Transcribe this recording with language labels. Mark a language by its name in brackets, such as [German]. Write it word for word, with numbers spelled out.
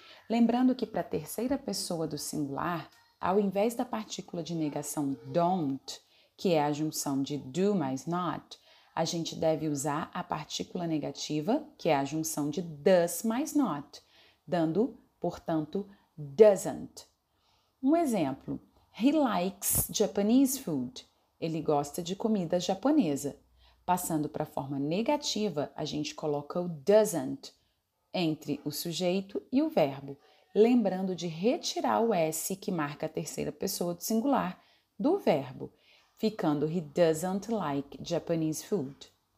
[Portuguese] Lembrando que para a terceira pessoa do singular, ao invés da partícula de negação don't, que é a junção de do mais not, a gente deve usar a partícula negativa, que é a junção de does mais not, dando, portanto, doesn't. Um exemplo, [English] he likes Japanese food. [Portuguese] Ele gosta de comida japonesa. Passando para a forma negativa, a gente coloca o doesn't entre o sujeito e o verbo, lembrando de retirar o S que marca a terceira pessoa do singular do verbo, ficando [English] he doesn't like Japanese food.